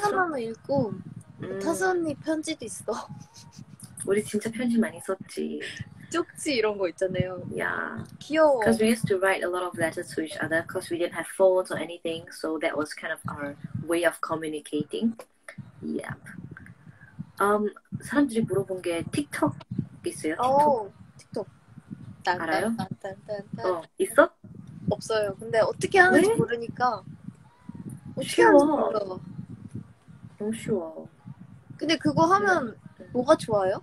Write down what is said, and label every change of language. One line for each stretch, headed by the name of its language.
Korean: 생각나면 읽고 타수 언니 편지도 있어. 우리 진짜 편지 많이 썼지. 쪽지 이런 거 있잖아요.
English: Yeah.
Korean: 귀여워.
English: Because we used to write a lot of letters to each other because we didn't have phones or anything. So that was kind of our way of communicating. Yep.
Korean: 사람들이 물어본 게 틱톡 있어요? 틱톡. 알아요? 있어? 없어요. 근데 어떻게 하는지 모르니까. 쉬워. 너무 쉬워. 근데 그거 하면 뭐가 좋아요?